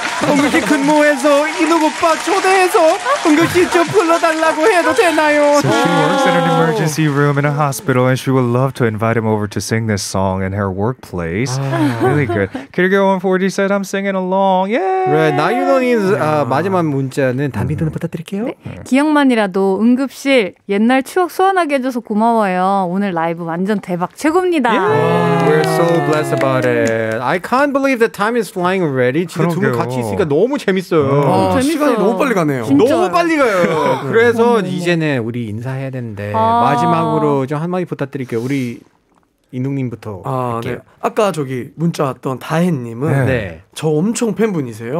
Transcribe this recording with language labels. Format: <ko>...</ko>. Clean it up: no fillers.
<ko>응급실 근무해서 이누 오빠 초대해서 응급실 좀 불러달라고 해도 되나요?</ko> <en>So she works in an emergency room in a hospital and she would love to invite him over to sing this song in her workplace. Really good. Kirigo 140 said I'm singing along. Yeah. Right. Now you know his</en> <ko>마지막 문자는 담비도 부탁드릴게요. 네. 기억만이라도 응급실 옛날 추억 소환하게 해줘서 고마워요. 오늘 라이브 완전 대박 최고입니다.</ko> <en>Yeah. We're so blessed about it. I can't believe the time is flying already.</en> <ko>진짜 두 분 같이 있으니까 너무 재밌어요. 시간이 너무 빨리 가네요. 진짜요? 너무 빨리 가요. 그래서 이제는 우리 인사해야 되는데 마지막으로 좀 한마디 부탁드릴게요. 우리 이누님부터 할게요. 네. 아까 저기 문자 왔던 다혜님은 네. 저 엄청 팬분이세요.</ko>